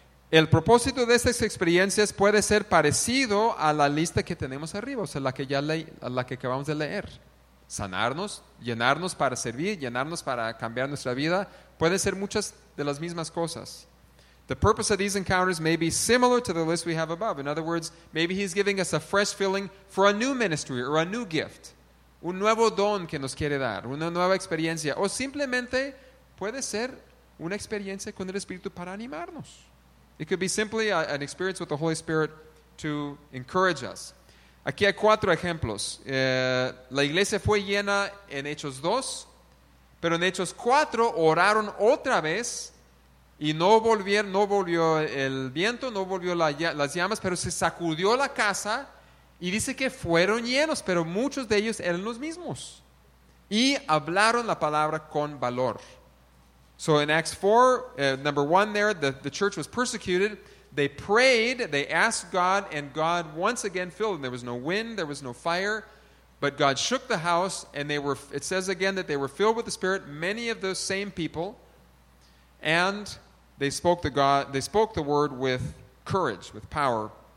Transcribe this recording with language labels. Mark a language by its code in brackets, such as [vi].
[es] El propósito de estas experiencias puede ser parecido a la lista que tenemos arriba, o sea, la que acabamos de leer. Sanarnos, llenarnos para servir, llenarnos para cambiar nuestra vida, puede ser muchas de las mismas cosas. [en] The purpose of these encounters may be similar to the list we have above. In other words, maybe He's giving us a fresh filling for a new ministry or a new gift. [es] Un nuevo don que nos quiere dar, una nueva experiencia. O simplemente puede ser una experiencia con el Espíritu para animarnos. [en] It could be simply an experience with the Holy Spirit to encourage us. [es] Aquí hay cuatro ejemplos. La iglesia fue llena en Hechos 2, pero en Hechos 4 oraron otra vez y no volvió el viento, no volvió las llamas, pero se sacudió la casa. Y dice que fueron llenos, pero muchos de ellos eran los mismos. Y hablaron la palabra con valor. [en] So in Acts 4, number 1 there, the church was persecuted. They prayed, they asked God, and God once again filled them. There was no wind, there was no fire, but God shook the house, and it says again that they were filled with the Spirit, many of those same people, and they spoke the word with courage, with power.